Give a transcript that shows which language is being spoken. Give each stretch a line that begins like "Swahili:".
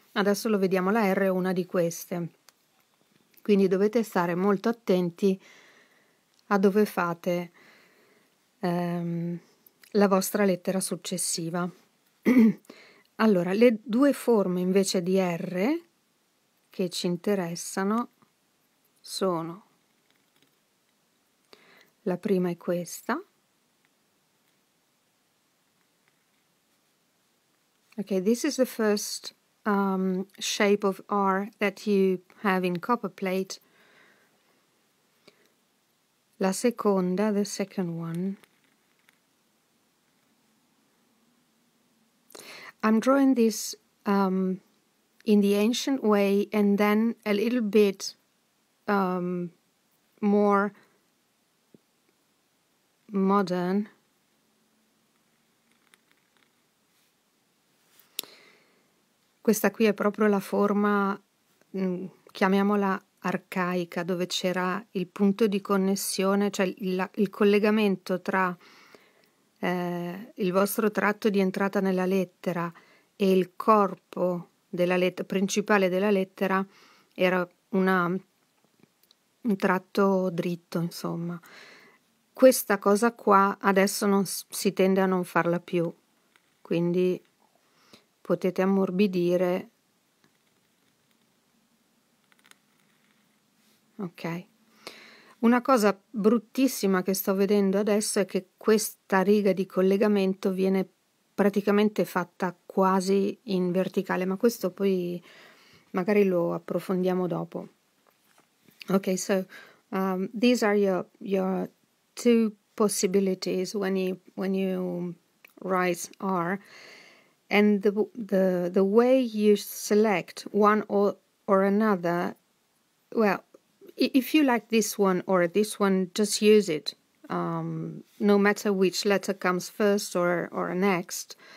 Italian: Adesso lo vediamo, la R è una di queste. Quindi dovete stare molto attenti a dove fate la vostra lettera successiva. Allora, le due forme invece di R che ci interessano sono la prima è questa.
English: Ok, this is the first shape of R that you have in copper plate.
Italian: La seconda, the second one,
English: I'm drawing this in the ancient way and then a little bit more modern.
Italian: Questa qui è proprio la forma, chiamiamola arcaica, dove c'era il punto di connessione, cioè il collegamento tra il vostro tratto di entrata nella lettera e il corpo della lettera, principale della lettera, era un tratto dritto, insomma. Questa cosa qua adesso non si tende a non farla più, quindi potete ammorbidire. Ok. Una cosa bruttissima che sto vedendo adesso è che questa riga di collegamento viene praticamente fatta quasi in verticale, ma questo poi magari lo approfondiamo dopo.
English: Ok, so these are your two possibilities when you write R, and the way you select one or another, well, if you like this one or this one, just use it, no matter which letter comes first or next.